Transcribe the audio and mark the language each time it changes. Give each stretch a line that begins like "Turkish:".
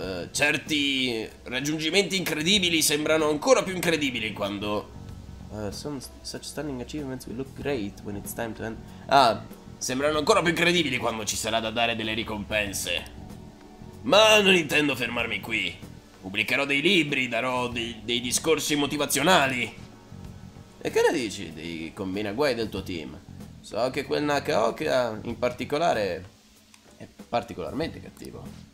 Italian: Certi raggiungimenti incredibili sembrano ancora più incredibili quando...
English: Such stunning achievements will look great when it's time to end...
Italian: Sembrano ancora più incredibili quando ci sarà da dare delle ricompense. Ma non intendo fermarmi qui. Pubblicherò dei libri, darò dei discorsi motivazionali. E che ne dici dei combinaguai del tuo team? So che quel Nakaoka in particolare è particolarmente cattivo.